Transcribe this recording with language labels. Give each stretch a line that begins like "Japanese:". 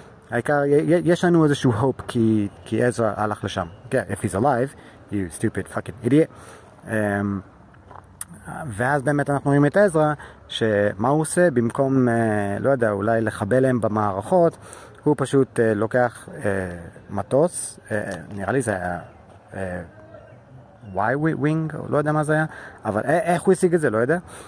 Hebrew: העיקר, יש לנו איזשהו
English: hope
Hebrew: כי עזרא הלך לשם.
English: Yeah, if he's alive, you stupid fucking idiot.
Hebrew: ואז באמת אנחנו רואים את עזרא, שמה הוא עושה? במקום, לא יודע, אולי לחבל להם במערכות, הוא פשוט לוקח מטוס, נראה לי זה היה... Y-Wing, לא יודע מה זה היה, אבל איך הוא השיג את זה? לא יודע.